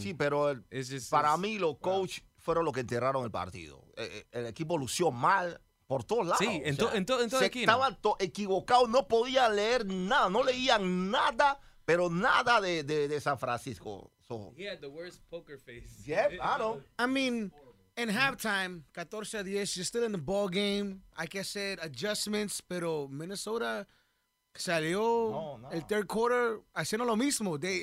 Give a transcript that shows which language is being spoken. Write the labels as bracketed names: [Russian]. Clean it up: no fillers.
[Spanish] Sí, pero para mí los coaches... Wow. Fueron los que enterraron el partido. El equipo lució mal por todos lados. Sí, estaban equivocados, no podían leer nada, no leían nada, pero nada de San Francisco. [English] So, he had the worst poker face. Yeah, I know. I mean, in halftime, 14-10, you're still in the ball game. I guess said adjustments, [Spanish] pero Minnesota salió el [English] third quarter [Spanish] haciendo lo mismo.